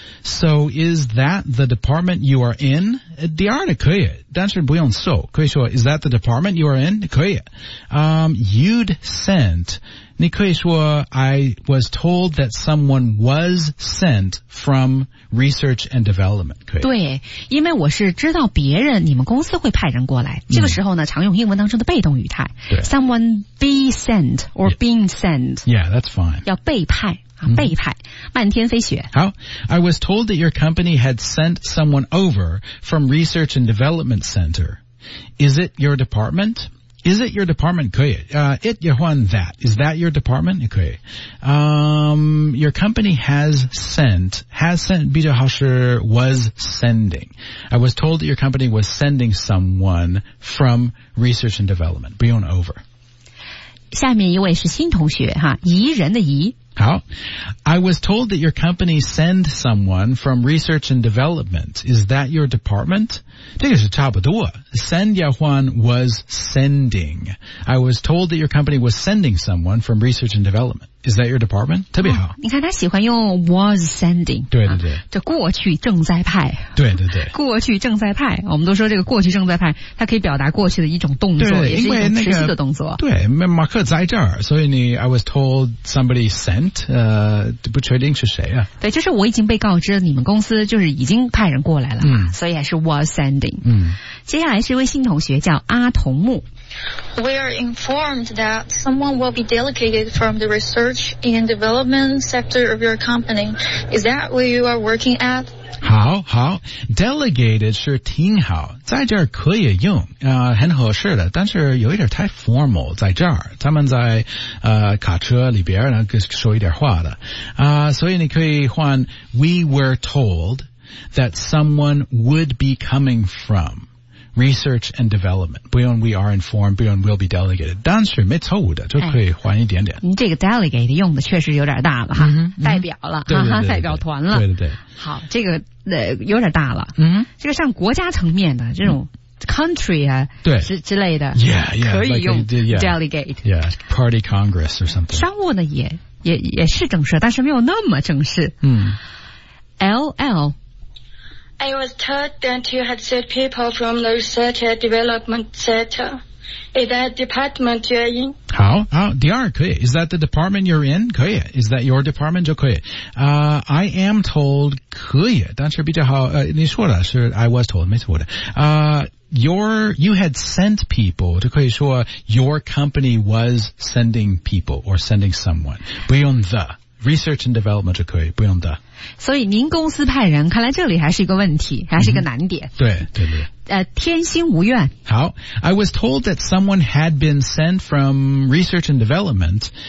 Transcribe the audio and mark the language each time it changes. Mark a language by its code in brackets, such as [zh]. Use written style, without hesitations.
[en] So is that the department you are in? [zh] 第二呢可以，但是不用 so， 可以说 [en] is that the department you are in？ [zh] 可以。 [en] You'd sent。 [zh] 你可以说 [en] I was told that someone was sent from research and development. [zh] 对，因为我是知道别人，你们公司会派人过来。这个时候呢，常用英文当中的被动语态。 [en] Someone be sent or being sent. Yeah, that's fine. [zh] 要被派。被派，漫天飞雪。 [en] 好， I was told that your company had sent someone over from research and development center. Is it your department? Is it your department? [zh] 可以。 [en] It, you want that. Is that your department? [zh] 可以。 [en] Your company has sent, [zh] 比较好是 [en] was sending. I was told that your company was sending someone from research and development. [zh] 不用 over. 下面一位是新同学哈，宜人的宜。 [en] 好， I was told that your company send someone from research and development. Is that your department? [zh] 这个是差不多。 [en] Send [zh] 呀换 [en] was sending. I was told that your company was sending someone from research and development. Is that your department? [zh] 特别好。你看他喜欢用 [en] was sending。 [zh] 对对对。这过去正在派。对对对。过去正在派。我们都说这个过去正在派，它可以表达过去的一种动作，对，也是一种持续的动作。对，马克在这儿，所以你 [en] I was told somebody sent。 [zh] 不确定是谁啊？对，就是我已经被告知你们公司就是已经派人过来了嘛，所以还是 [en] was sending。 [zh] 接下来是一位新同学叫阿童木。 [en] We are informed that someone will be delegated from the research and development sector of your company. Is that where you are working at? [zh] 好好 ，delegated 是挺好，在这儿可以用，很合适的，但是有一点太 formal 在这儿。他们在卡车里边呢，说一点话的所以你可以换 [en] We were told that someone would be coming from. Research and development. [zh] 不用 [en] we are informed, 不用 will be delegated. [zh] 但是没错误的就可以换一点点。哎，这个 delegate 用的确实有点大了哈，代表了，对对对对，哈哈，代表团了。对对对。好，这个有点大了。这个上国家层面的这种country 啊，对，之类的。 [en] Yeah, yeah, [zh] 可以用 [en] like, yeah, delegate. Yeah, party congress or something. [zh] 商务呢也是正式，但是没有那么正式。 LL. [en] I was told that you had sent people from the research and development center. Is that department you're in? 好，好， [zh] 第二可以。 [en] Is that the department you're in? 可以。Is that your department? [zh] 就可以。 [en] I am told [zh] 可以，但是比较好。你说的是 [en] I was told， [zh] 没错的。 [en] You had sent people， [zh] 就可以说 [en] your company was sending people or sending someone. [zh] 不用 the。Research and development 就可以，不用的。所以您公司派人，看来这里还是一个问题，还是一个难点。对对对。天心无怨。 [en] 好， I was told that someone had been sent from research and development.